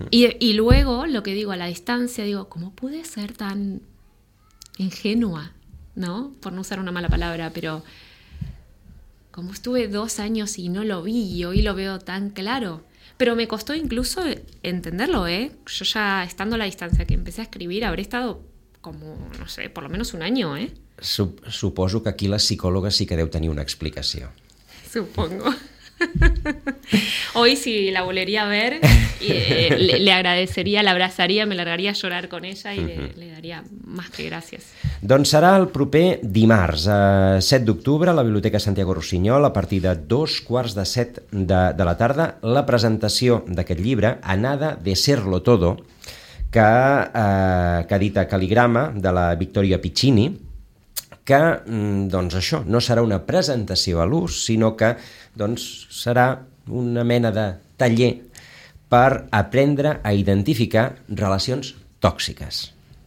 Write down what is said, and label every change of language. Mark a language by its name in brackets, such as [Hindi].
[Spanish] Y luego, lo que digo a la distancia, digo, ¿cómo pude ser tan ingenua? ¿No? Por no usar una mala palabra, pero ¿cómo estuve 2 años y no lo vi y hoy lo veo tan claro? Pero me costó incluso entenderlo, ¿eh? Yo ya estando a la distancia que empecé a escribir, habré estado como, no sé, por lo menos 1 año, ¿eh? [Catalan] Suposo que aquí la psicòloga sí que deu tenir una explicació. [Spanish] Supongo. Hoy si la volvería a ver, le agradecería, la abrazaría, me largaría a llorar con ella y le daría más que gracias. [Catalan] Doncs serà el proper dimarts, 7 d'octubre, a la Biblioteca Santiago Rusiñol, a partir de 6:45 de la tarda, la presentació d'aquest llibre, Anada de Serlo Todo, que edita Caligrama, de la Victoria Piccini, que, doncs això, no serà una presentació a l'ús, sinó que, doncs, serà una mena de taller per aprendre a identificar relacions tòxiques.